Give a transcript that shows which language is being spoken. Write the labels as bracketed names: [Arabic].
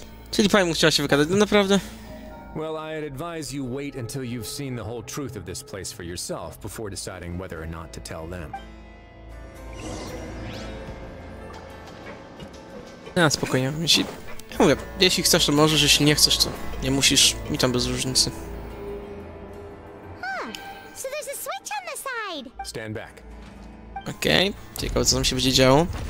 [Polish] Czyli Paimon chciała się wykazać, no naprawdę? [English] Well, I'd advise you wait until you've seen the whole truth of this place for yourself before deciding whether or not to tell them. [Polish] No, spokojnie. Jeśli, ja mówię, jeśli chcesz, to możesz, jeśli nie chcesz, to nie musisz. Mi tam bez różnicy. [English] So there's a switch on the side. Stand back. [Polish] Okej, ciekawe, co tam się będzie działo.